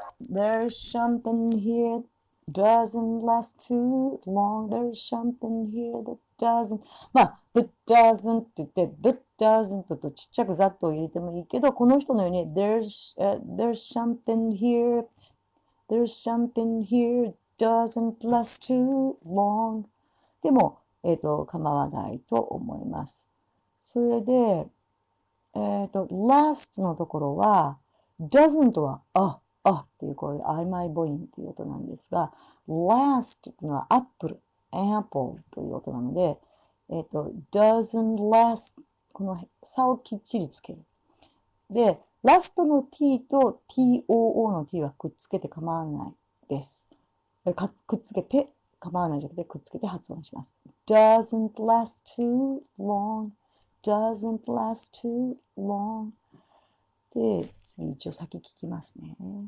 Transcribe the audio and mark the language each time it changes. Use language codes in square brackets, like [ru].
[en] There's something here doesn't last too long. There's something here that doesn't. [ja] まあ、that doesn't って言って、that doesn't とちっちゃくざっと入れてもいいけど、この人のように、 [en] there's something here. There's something here doesn't last too long. [ja] でも、構わないと思います。それで、last のところは、doesn't は、あっていう、これ、曖昧母音っていう音なんですが、last っていうのはアップル、apple という音なので、 [en] doesn't last、 [ja] この差をきっちりつける。で、last の t と too の t はくっつけて構わないです。くっつけて、構わないじゃなくて、くっつけて発音します。 [en] doesn't last too long, doesn't last too long。 [ja] で、次一応先聞きますね。